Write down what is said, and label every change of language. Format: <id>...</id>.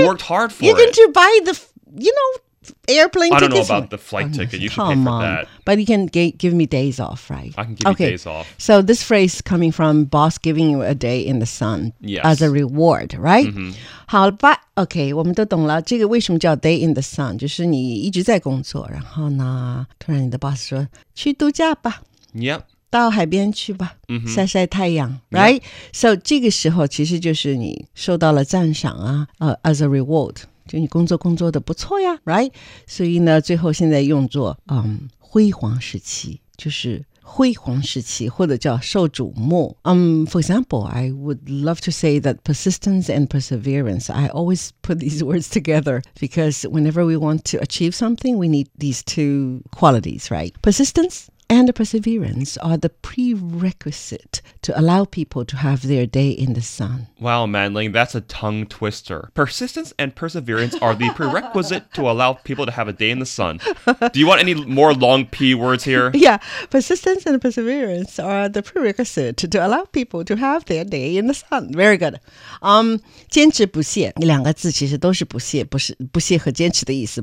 <en>You worked hard for You're going to buy the, you know, airplane ticket. I don't know about the flight ticket. You should pay for that. But you can give me days off, right? I can give you days off. So this phrase coming from boss giving you a day in the sun as a reward, right? Mm-hmm.</en> <zh>好吧 ，OK， 我们都懂了。这个为什么叫 day in the sun？就是你一直在工作，然后呢，突然你的 boss 说去度假吧</zh> <en>，Yep，</en> <zh>到海边去吧、</zh> <en>mm-hmm.</en> <zh>晒晒太阳 ，Right？ So 这个时候其实就是你受到了赞赏啊， as a reward。就你工作的不错呀 ，right？所以呢，最后现在用作辉煌时期，就是辉煌时期，或者叫受瞩目。</zh> <en>For example, I would love to say that persistence and perseverance. I always put these words together because whenever we want to achieve something, we need these two qualities, right? Persistence and perseverance are the prerequisite to allow people to have their day in the sun. Wow, Manling, that's a tongue twister. Persistence and perseverance are the prerequisite to allow people to have a day in the sun. Do you want any more long P words here? Yeah, persistence and perseverance are the prerequisite to allow people to have their day in the sun. Very good.</en> <zh>坚持不懈，两个字其实都是不懈，不是不懈和坚持的意思。</zh>